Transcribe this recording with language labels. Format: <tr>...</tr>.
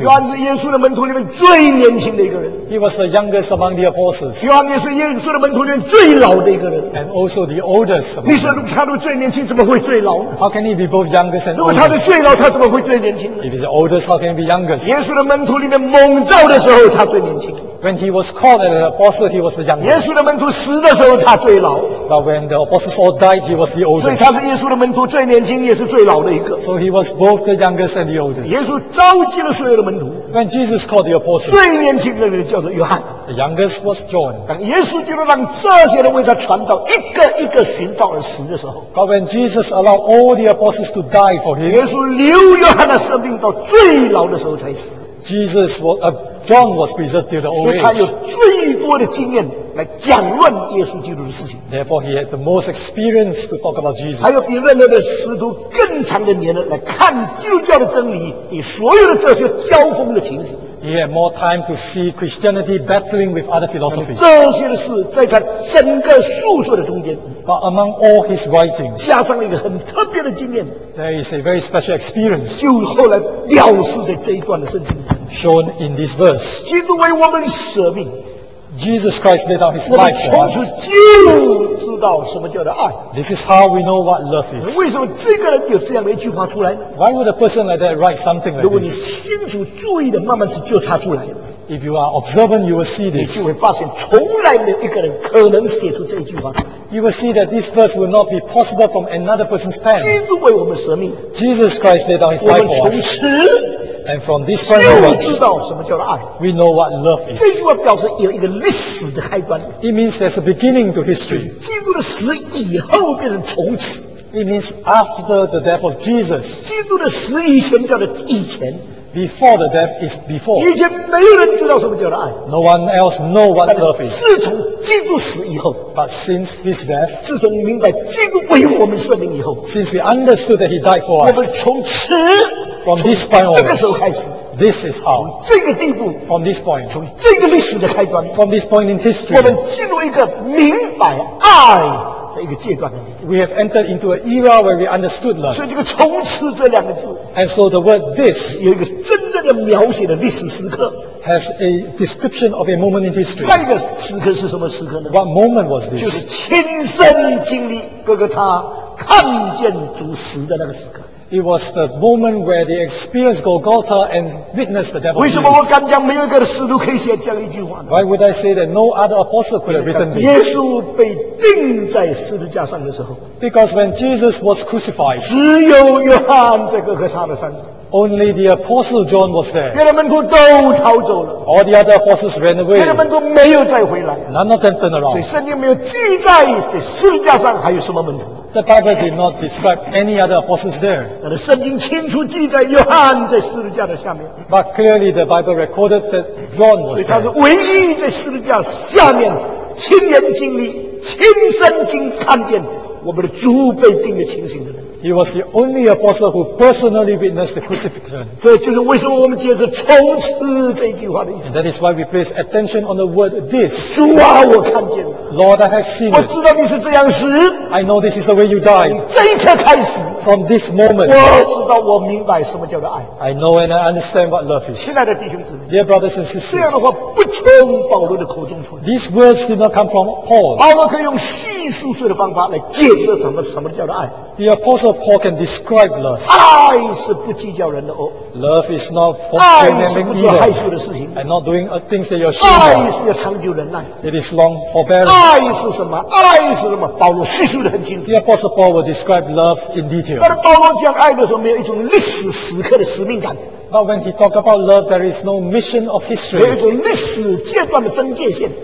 <zh>约翰是耶稣的门徒里面最年轻的一个人。</zh> <en>He was the youngest among the apostles.</en> <zh>约翰也是耶稣的门徒里面最老的一个人。</zh> <en>And also the oldest.</en> <zh>你说如果他都最年轻，怎么会最老呢？</zh> <en>How can he be both youngest and oldest?</en> <zh>如果他是最老，他怎么会最年轻呢？</zh> <en>If he's the oldest, how can he be youngest?</en> <zh>耶稣的门徒里面蒙召的时候，他最年轻。</zh> <en>When he was called as an apostle, he was the youngest.</en> <zh>耶稣的门徒死的时候，他最老。</zh> <en>But when the apostles all died, he was the oldest.</en> <zh>所以他是耶稣的门徒最年轻，也是最老的一个。</zh> <en>So he was both the youngest and the oldest.</en> <zh>耶稣召集了所有的门徒。</zh> <en>When Jesus called the apostles,</en> <zh>最年轻的人叫做约翰。</zh> <en>The youngest was John.</en> <zh>当耶稣就让这些人为他传道，一个一个寻道而死的时候。</zh> <en>But when Jesus allowed all the apostles to die for him,</en> <zh>耶稣留约翰的生命到最老的时候才死。</zh> <en>Jesus was John was preserved till the old age.</en> <zh>所以他有最多的经验来讲论耶稣基督的事情。</zh> <en>Therefore, he had the most experience to talk about Jesus.</en> <zh>还有比任何的使徒更长的年龄来看基督教的真理与所有的这些交锋的情形。</zh> <en>He had more time to see Christianity battling with other philosophies.</en> <zh>这些的事在他整个述说的中间。</zh> <en>But among all his writings,</en> <zh>加上了一个很特别的经验。</zh> <en>There is a very special experience.</en> <zh>就后来表述在这一段的圣经。</zh> <en>Shown in this verse.</en> <zh>基督为我们舍命。</zh> <en>Jesus Christ laid down his life for us.</en> <zh>我们从此就知道什么叫做爱。</zh> <en>This is how we know what love is.</en> <zh>为什么这个人有这样的一句话出来呢？</zh> <en>Why would a person like that write something like this?</en> <zh>如果你清楚注意的，慢慢就查出来。</zh> <en>If you are observant, you will see this.</en> <zh>你就会发现，从来没有一个人可能写出这一句话出来。</zh> <en>You will see that this verse will not be possible from another person's pen.</en> <zh>基督为我们舍命。</zh> <en>Jesus Christ laid down his life for us.</en> <zh>我们从此。</zh> <en>And from this point onwards,</en> <zh>就知道什么叫做爱。</zh> <en>We know what love is.</en> <zh>这句话表示有一个历史的开端。</zh> <en>It means there's a beginning to history.</en> <zh>基督的死以后变成从此。</zh> <en>It means after the death of Jesus.</en> <zh>基督的死以前叫做以前。</zh> <en>Before the death is before.</en> <zh>以前没有人知道什么叫做爱。</zh> <en>No one else knows what love is.</en> <zh>自从基督死以后。</zh> <en>But since his death.</en> <zh>自从明白基督为我们舍命以后。</zh> <en>Since we understood that he died for us.</en> <zh>我们从此。</zh> <en>From this point on,</en> <zh>这个时候开始</zh> <en>this is how,</en> <zh>这个地步</zh> <en>from this point,</en> <zh>从这个历史的开端</zh> <en>from this point in history,</en> <zh>我们进入一个明白爱的一个阶段。</zh> <en>We have entered into an era where we understood love.</en> <zh>所以这个从此这两个字</zh> <en>and so the word this,</en> <zh>有一个真正的描写的历史时刻</zh> <en>has a description of a moment in history.</en> <zh>那个时刻是什么时刻呢？</zh> <en>What moment was this?</en> <zh>就是亲身经历哥哥他看见主死的那个时刻。</zh> <en>It was the moment where they experienced Golgotha and witnessed the devil.</en> <zh>为什么我刚讲没有一个使徒可以写这样一句话呢？</zh> <en>Why would I say that no other apostle could have written this?</en> <zh>耶稣被钉在十字架上的时候。</zh> <en>Because when Jesus was crucified,</en> <zh>只有约翰在哥哥他的山。</zh> <en>Only the apostle John was there.</en> <zh>别的门徒都逃走了。</zh> <en>All the other apostles ran away.</en> <zh>别的门徒没有再回来。</zh> <en>None of them turned around.</en> <zh>所以圣经没有记载在十字架上还有什么门徒。</zh> <en>The Bible did not describe any other apostles there.</en> <zh>但是圣经清楚记载约翰在十字架的下面。</zh> <en>But clearly the Bible recorded that John was there.</en> <zh>所以他是唯一在十字架下面亲眼经历、亲身经看见我们的主被钉的情形的人。</zh> <en>He was the only apostle who personally witnessed the crucifixion.</en> <zh>这就是为什么我们接着从此这句话的意思。</zh> <en>And that is why we place attention on the word this.</en> <zh>主啊，我看见了。</zh> <en>Lord, I have seen.</en> <zh>我知道你是这样死。</zh> <en>I know this is the way you died.</en> <zh>从这一刻开始。</zh> <en>From this moment.</en> <zh>我知道，我明白什么叫做爱。</zh> <en>I know and I understand what love is.</en> <zh>亲爱的弟兄姊妹。</zh> <en>Dear brothers and sisters.</en> <zh>这样的话不从保罗的口中出来。</zh> <en>These words did not come from Paul.</en> <zh>保罗可以用叙述式的方法来解释什么叫做爱。</zh> <en>The Apostle Paul can describe love.</en> <zh>爱是不计较人的恶。</zh> <en>Love is not for condemning either.</en> <zh>爱是不做害羞的事情。</zh> <en>And not doing things that you're ashamed of.</en> <zh>爱是要长久忍耐。</zh> <en>It is long forbearance.</en> <zh>爱是什么？爱是什么？保罗叙述的很清楚。</zh> <en>The Apostle Paul will describe love in detail.</en> <zh>但是保罗讲爱的时候，没有一种历史时刻的使命感。</zh> <en>But when he talk about love, there is no mission of history.</en> <zh>没有一种历史阶段的分界线。</zh>